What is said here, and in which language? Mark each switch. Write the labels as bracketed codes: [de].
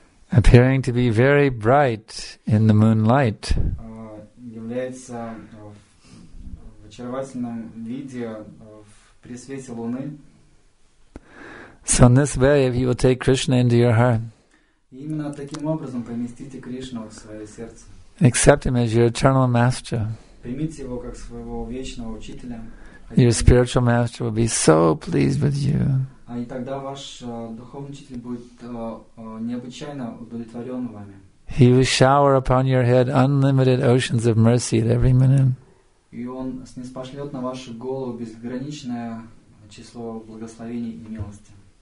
[en] Appearing to be very bright in the moonlight. [ru] Является в очаровательном виде при свете луны. [en] So in this way, if you will take Krishna into your heart, [ru] именно таким образом поместите Кришну в свое сердце. [en] Accept him as your eternal master. [ru] Примите его как своего вечного учителя. [en] Your spiritual master will be so pleased with you. [ru] И тогда ваш духовный учитель будет необычайно удовлетворен вами. [en] He will shower upon your head unlimited oceans of mercy at every minute. [ru] И он снизошлет на вашу голову безграничное число благословений и милости.